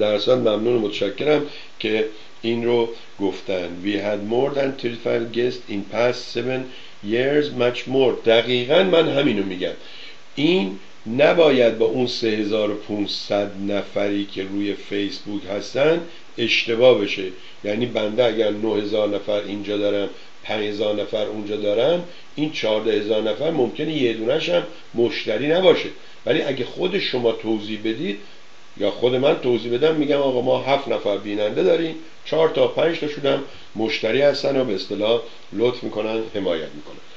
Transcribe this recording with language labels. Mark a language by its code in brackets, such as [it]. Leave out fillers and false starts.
[fa] در اصل ممنون و متشکرم که این رو گفتن. [en] We had more than 35 guests in past 7 years much more. [fa] دقیقا من همینو میگم، این نباید با اون 3500 نفری که روی فیسبوک هستن اشتباه بشه. یعنی بنده اگر 9000 نفر اینجا دارم 5000 نفر اونجا دارم، این 14000 نفر ممکنه یه دونش هم مشتری نباشه، ولی اگه خود شما توضیح بدید یا خود من توضیح بدم، میگم آقا ما 7 نفر بیننده داریم، 4 تا 5 تا شدم مشتری هستن و به اصطلاح لطف میکنن حمایت میکنن.